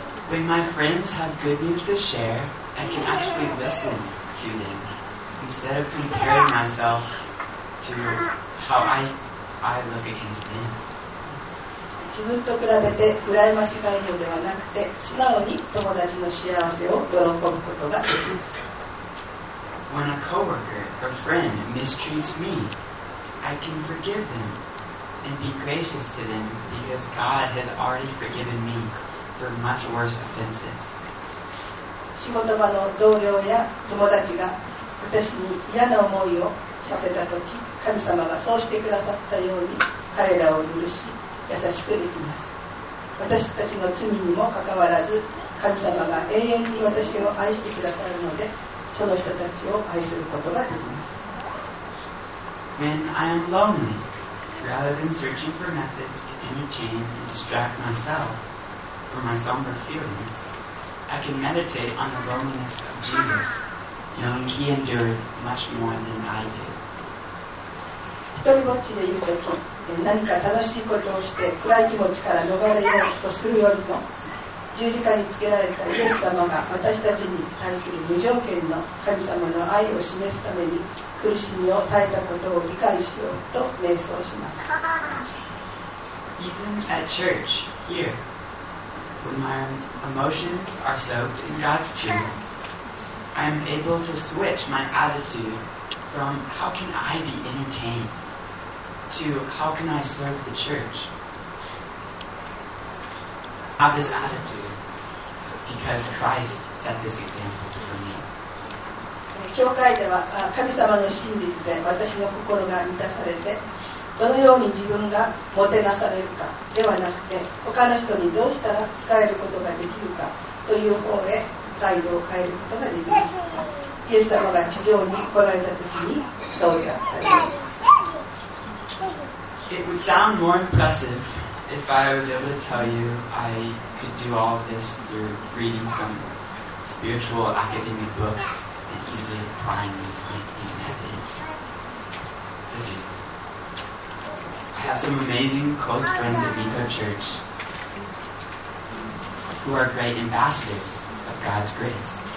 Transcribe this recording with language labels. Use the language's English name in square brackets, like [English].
[English] When my friends have good news to share, I can actually listen to them instead of comparing myself to how I look against them. [Japanese] 自分と比べて羨ましがるのではなくて、素直に友達の幸せを喜ぶことができます。 [English] When a coworker or friend mistreats me, I can forgive them and be gracious to them because God has already forgiven me for much worse offenses. [Japanese] 仕事場の同僚や友達が私に嫌な思いをさせたとき、神様がそうしてくださったように彼らを許し優しくできます。私たちの罪にもかかわらず、神様が永遠に私を愛してくださるので、その人たちを愛することができます。 [English] When I am lonely, rather than searching for methods to entertain and distract myself from my somber feelings, I can meditate on the loneliness of Jesus, knowing He endured much more than I did. [Japanese] 一人ぼっちでいるとき、何か楽しいことをして暗い気持ちから逃れようとするよりも、十字架につけられたイエス様が私たちに対する無条件の神様の愛を示すために苦しみを耐えたことを理解しようと瞑想します。 [English] Even at church here, when my emotions are soaked in God's truth, I am able to switch my attitudeFrom how can I be entertained to how can I serve the church? I have this attitude because Christ set this example for me. [Japanese] 教会では神様の真実で私の心が満たされて、どのように自分がもてなされるかではなくて、他の人にどうしたら使えることができるかという方へ態度を変えることができます。イエス様が地上に来られた時にそうやった。 [English] It would sound more impressive if I was able to tell you I could do all of this through reading some spiritual academic books and easily applying these methods. Listen, I have some amazing close friends at Vito Church who are great ambassadors of God's grace.